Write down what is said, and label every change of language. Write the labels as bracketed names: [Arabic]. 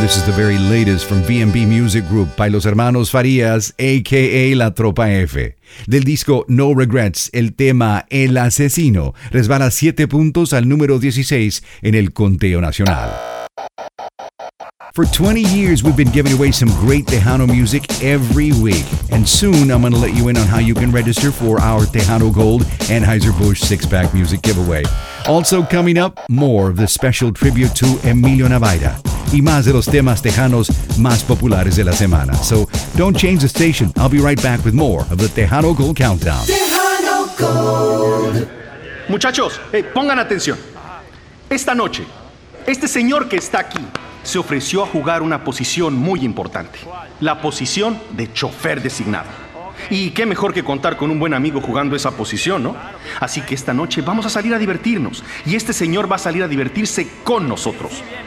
[English] This is the very latest from B&B Music Group by Los Hermanos Farías, a.k.a. La Tropa F. [Spanish] Del disco No Regrets, el tema El Asesino resbala 7 puntos al número 16 en el conteo nacional. [English] For 20 years, we've been giving away some great Tejano music every week. And soon, I'm going to let you in on how you can register for our Tejano Gold Anheuser-Busch six-pack music giveaway. Also coming up, more of the special tribute to Emilio Navaira. [Spanish] Y más de los temas tejanos más populares de la semana. [English] So don't change the station. I'll be right back with more of the Tejano Gold Countdown. Tejano Gold. [Spanish] Muchachos, hey, pongan atención. Esta noche, este señor que está aquí se ofreció a jugar una posición muy importante. La posición de chofer designado. Y qué mejor que contar con un buen amigo jugando esa posición, ¿no? Así que esta noche vamos a salir a divertirnos. Y este señor va a salir a divertirse con nosotros.